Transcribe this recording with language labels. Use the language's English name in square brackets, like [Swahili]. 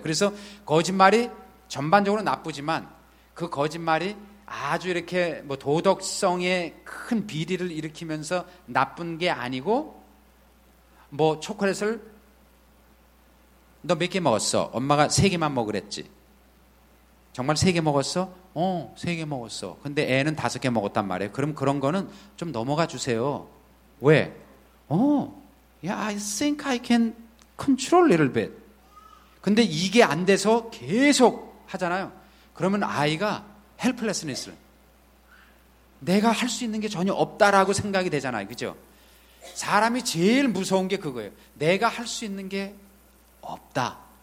[Korean] 그래서 거짓말이 전반적으로 나쁘지만 그 거짓말이 아주 이렇게 뭐 도덕성에 큰 비리를 일으키면서 나쁜 게 아니고 뭐 초콜릿을 너 몇 개 먹었어? 엄마가 세 개만 먹으랬지. 정말 세 개 먹었어? 어, 세 개 먹었어. 근데 애는 다섯 개 먹었단 말이에요. 그럼 그런 거는 좀 넘어가 주세요. 왜? [English] 어, yeah, I think I can control a little bit. [Korean] 근데 이게 안 돼서 계속 하잖아요. 그러면 아이가 helplessness를 내가 할 수 있는 게 전혀 없다라고 생각이 되잖아요. 그죠? 사람이 제일 무서운 게 그거예요. 내가 할 수 있는 게 없다.